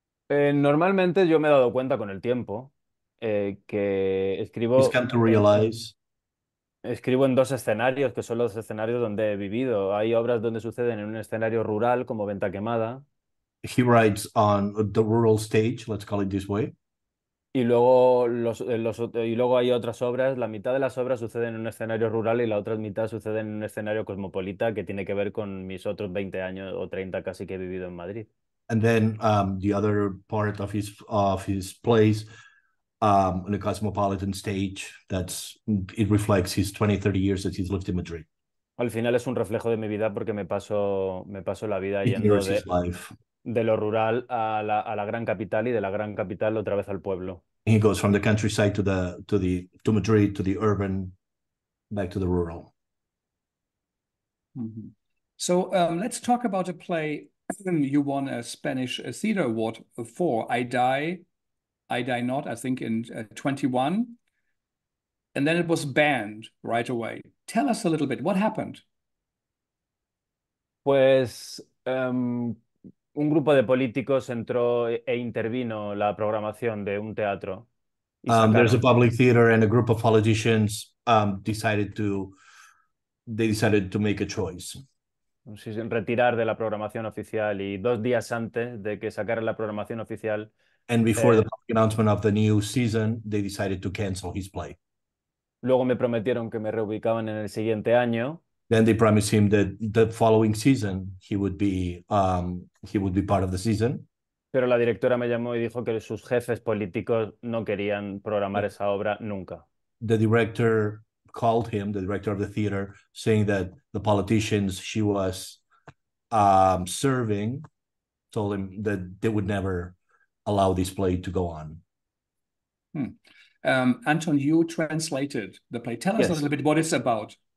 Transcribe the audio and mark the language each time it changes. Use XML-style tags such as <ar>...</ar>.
<es>Normalmente yo me he dado cuenta con el tiempo que escribo...</es> <en>He's come to realize...</en> <es>Escribo en dos escenarios, que son los escenarios donde he vivido. Hay obras donde suceden en un escenario rural, como Venta Quemada.</es> <en>He writes on the rural stage, let's call it this way.</en> <es>Y luego hay otras obras, la mitad de las obras suceden en un escenario rural y la otra mitad sucede en un escenario cosmopolita que tiene que ver con mis otros 20 años o 30 casi que he vivido en Madrid.</es> <en>And then the other part of his plays... on a cosmopolitan stage, that's it reflects his 20, 30 years that he's lived in Madrid.</en> <es>Al final es un reflejo de mi vida porque me paso la vida yendo de lo rural a la gran capital y de la gran capital otra vez al pueblo.</es> <en>He goes from the countryside to Madrid, to the urban, back to the rural. Mm-hmm. So let's talk about a play you won a Spanish Theatre Award for, I Die Not, I think in 21. And then it was banned right away. Tell us a little bit, what happened?</en> <es>Pues un grupo de políticos entró e intervino la programación de un teatro.</es> <en>There's a public theater and a group of politicians decided to make a choice.</en> <es>Retirar de la programación oficial y 2 días antes de que sacaran la programación oficial.</es> <en>And before the public announcement of the new season, they decided to cancel his play.</en> <es>Luego me prometieron que me reubicaban en el siguiente año.</es> <en>Then they promised him that the following season he would be part of the season.</en> <es>Pero la directora me llamó y dijo que sus jefes políticos no querían programar esa obra nunca.</es> <en>The director called him, the director of the theater, saying that the politicians she was serving told him that they would never allow this play to go on. Anton, you translated the play. Tell us a little bit what it's about.</en>